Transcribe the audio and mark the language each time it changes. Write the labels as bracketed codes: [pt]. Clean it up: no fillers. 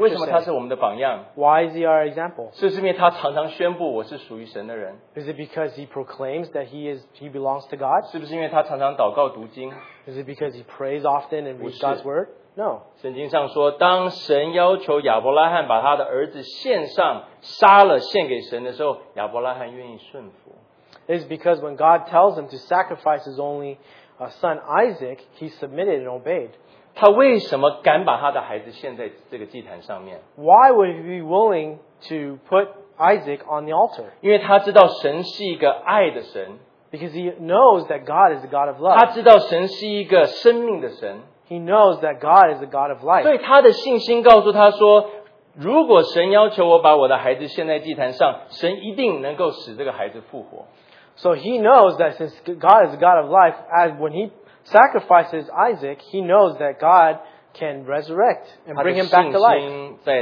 [zh] 为什么他是我们的榜样? [en] Why is he our example? [zh] 是不是因为他常常宣布我是属于神的人? [en] Is it because he proclaims that he belongs to God? [zh] 是不是因为他常常祷告读经? [en] Is it because he prays often and reads God's word? No. [zh] 圣经上说, 当神要求亚伯拉罕把他的儿子献上,杀了献给神的时候, 亚伯拉罕愿意顺服。 [en] It's because when God tells him to sacrifice his only son Isaac, he submitted and obeyed. [zh] 他为什么敢把他的孩子献在这个祭坛上面? [en] Why would he be willing to put Isaac on the altar? [zh] 因为他知道神是一个爱的神。 [en] Because he knows that God is a God of love. [zh] 他知道神是一个生命的神。 [en] He knows that God is a God of life. [zh] 所以他的信心告诉他说, 如果神要求我把我的孩子献在祭坛上, 神一定能够使这个孩子复活。 [en] So he knows that since God is a God of life, as when he sacrifices Isaac, he knows that God can resurrect and bring him back to life.